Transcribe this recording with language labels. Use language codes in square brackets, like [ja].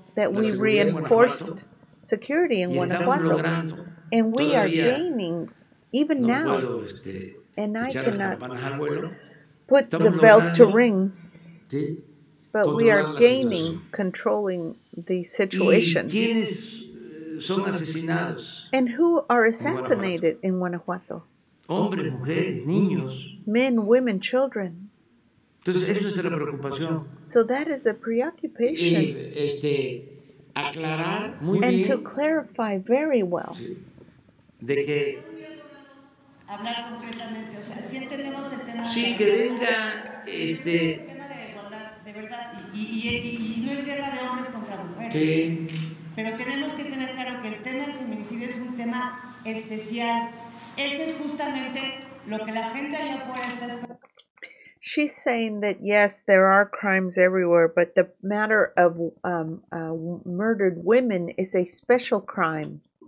[en] that we reinforced security in Guanajuato. And we are gaining, even now, and I cannot put the bells to ring, but we are gaining, controlling the situation. [es] ¿Y quiénes son asesinados? [en] And who are assassinated in Guanajuato? [es] Hombres, mujeres, niños. [en] Men, women, children. [es] Entonces, eso es la preocupación. [en] So that is a preoccupation. [es] Y, aclarar muy [en] and [es] bien. [en] And to clarify very well. [es] De que. Hablar concretamente. O sea, si entendemos el tema. Sí, que venga. El tema de la igualdad, de verdad. Y no es guerra de hombres contra mujeres. Sí. Pero tenemos que tener claro que el tema del feminicidio es un tema especial. Eso es justamente lo que la gente allá afuera está esperando. [en] She's saying that, yes, there are crimes everywhere, but the matter of murdered women is a special crime.